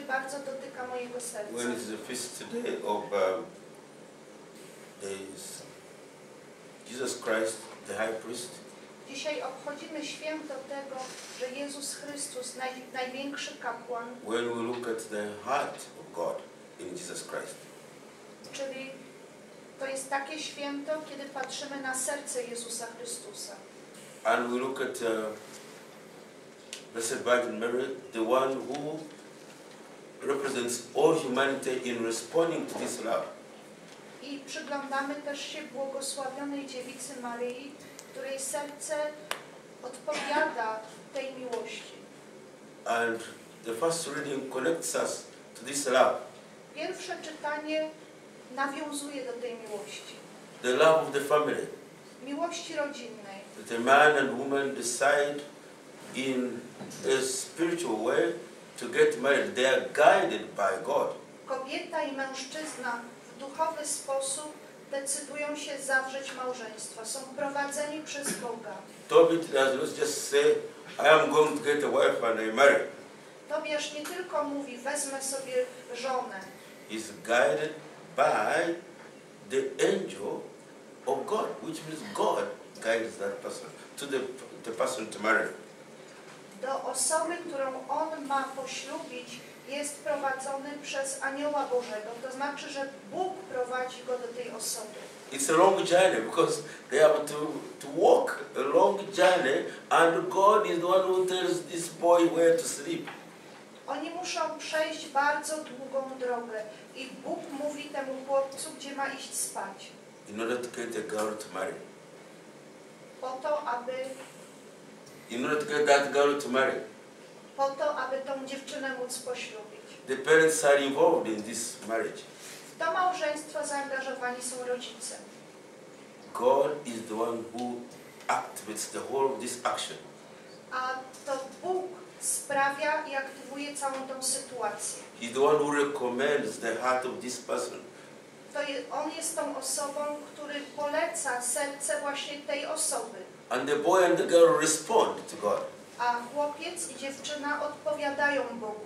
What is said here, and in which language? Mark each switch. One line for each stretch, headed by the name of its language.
English: When is the feast day of Jesus Christ, the High Priest?
Polish: Dzisiaj obchodzimy święto tego, że Jezus Chrystus, największy kapłan.
English: When we look at the heart of God in Jesus Christ.
Polish: Czyli to jest takie święto, kiedy patrzymy na serce Jezusa Chrystusa.
English: And we look at Blessed Virgin Mary, the one who represents all humanity in responding to this love.
Polish: I przyglądamy też się błogosławionej dziewicy Maryi, której serce odpowiada tej miłości.
English: And the first reading connects us to this love.
Polish: Pierwsze czytanie nawiązuje do tej miłości.
English: The love of the family.
Polish: Miłości rodzinnej.
English: That the man and woman decide in a spiritual way to get married, they are guided by God.
Polish: Kobieta i mężczyzna w duchowy sposób decydują się zawrzeć małżeństwo. Są prowadzeni przez Boga.
English: Tobit does not just say, I am going to get a wife and I marry.
Polish: Tobiasz nie tylko mówi, wezmę sobie żonę.
English: Is guided by the angel of God, which means God guides that person to the person to marry.
Polish: Do osoby, którą on ma poślubić, jest prowadzony przez anioła Bożego. To znaczy, że Bóg prowadzi go do tej osoby.
English: It's a long journey because they have to walk a long journey and God is the one who tells this boy where to sleep.
Polish: Oni muszą przejść bardzo długą drogę i Bóg mówi temu chłopcu, gdzie ma iść spać.
English: In order to get a girl to marry.
Polish: Po to, aby
English: in order to get that girl to marry.
Polish: Po to, aby tą dziewczynę móc poślubić.
English: The parents are involved in this marriage.
Polish: W to małżeństwo zaangażowani są rodzice.
English: God is the one who activates the whole of this action.
Polish: A to Bóg sprawia i aktywuje całą tą sytuację.
English: He's the one who recommends the heart of this person.
Polish: To on jest tą osobą, który poleca serce właśnie tej osoby.
English: And the boy and the girl respond to God.
Polish: A chłopiec i dziewczyna odpowiadają Bogu.